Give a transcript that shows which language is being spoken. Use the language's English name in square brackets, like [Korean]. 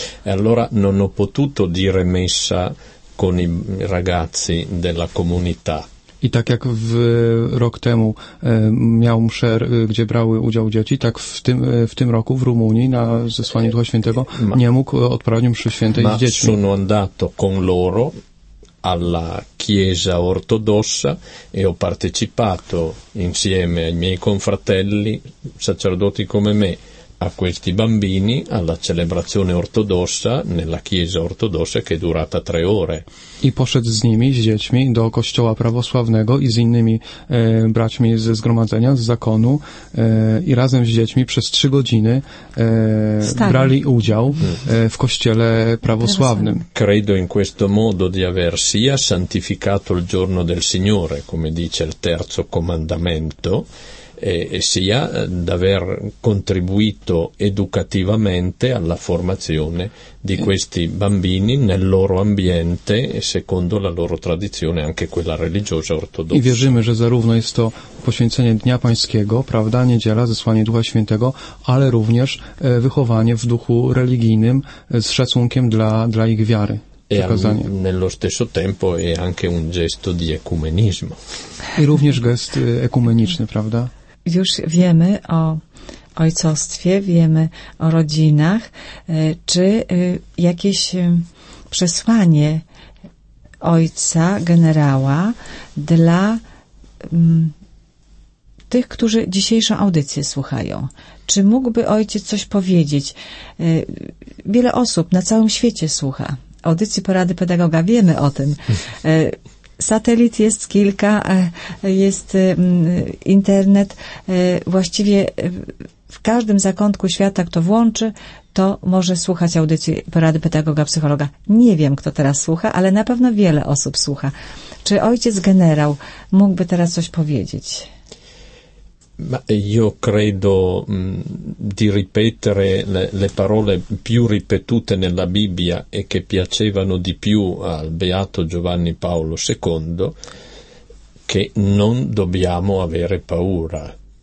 [Italian] E allora non ho potuto dire messa con i ragazzi della comunità. [Polish] I tak jak w rok temu miał mszę, gdzie brały udział dzieci, tak w tym roku w Rumunii na zesłanie Ducha Świętego nie mógł odprawić mszy świętej z dziećmi. [Italian] Ma sono andato con loro alla chiesa ortodossa e ho partecipato insieme ai miei confratelli sacerdoti come me a questi bambini alla celebrazione ortodossa nella chiesa ortodossa che è durata 3 ore. [Polish] I poszedł z nimi, z dziećmi, do kościoła prawosławnego i z innymi braćmi ze zgromadzenia, z zakonu i razem z dziećmi przez 3 godziny brali udział w kościele prawosławnym. [Italian] Credo in questo modo di aver sia santificato il giorno del Signore, come dice il terzo comandamento, e sia d'aver contribuito educativamente alla formazione di questi bambini nel loro ambiente e secondo la loro tradizione, anche quella religiosa ortodossa. [Polish] I wierzymy, że zarówno jest to poświęcenie Dnia Pańskiego, prawda, niedziela, zesłanie Ducha Świętego, ale również wychowanie w duchu religijnym z szacunkiem dla ich wiary. [Italian] E nello stesso tempo è anche un gesto di ecumenismo. [Polish] I również gest ekumeniczny, prawda? Już wiemy o ojcostwie, wiemy o rodzinach. Czy jakieś przesłanie ojca, generała dla tych, którzy dzisiejszą audycję słuchają? Czy mógłby ojciec coś powiedzieć? Wiele osób na całym świecie słucha audycji Porady Pedagoga, wiemy o tym. Satelit jest kilka, jest internet. Właściwie w każdym zakątku świata, kto włączy, to może słuchać audycji Porady Pedagoga, Psychologa. Nie wiem, kto teraz słucha, ale na pewno wiele osób słucha. Czy ojciec generał mógłby teraz coś powiedzieć? [Italian] Ma io credo di ripetere le parole più ripetute nella Bibbia e che piacevano di più al beato Giovanni Paolo II, che non dobbiamo avere paura.